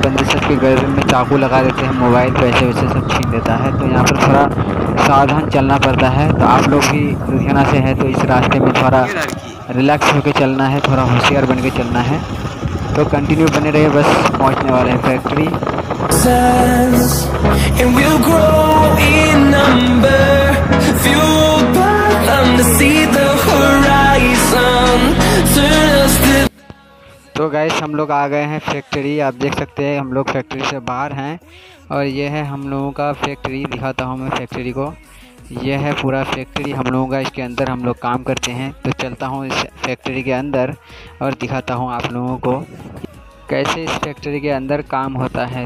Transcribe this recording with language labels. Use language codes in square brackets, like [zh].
[hi] बंदे सब के गर्दन में चाकू लगा देते हैं, मोबाइल पैसे वैसे सब छीन देता है, तो यहाँ पर थोड़ा सावधान चलना पड़ता है। तो आप लोग भी लुधियाना से हैं तो इस रास्ते में थोड़ा रिलैक्स होकर चलना है, थोड़ा होशियार बन के चलना है। तो कंटिन्यू बने रहे, बस पहुँचने वाले हैं factory. [en] And we'll grow in number, fueled by them to see the horizon. [hi] तो गाइस, हम लोग आ गए हैं फैक्ट्री, आप देख सकते हैं हम लोग फैक्ट्री से बाहर हैं। और ये है हम लोगों का फैक्ट्री, दिखाता हूँ मैं फैक्ट्री को। ये है पूरा फैक्ट्री हम लोगों का, इसके अंदर हम लोग काम करते हैं। तो चलता हूँ इस फैक्ट्री के अंदर और दिखाता हूँ आप लोगों को कैसे इस फैक्ट्री के अंदर काम होता है।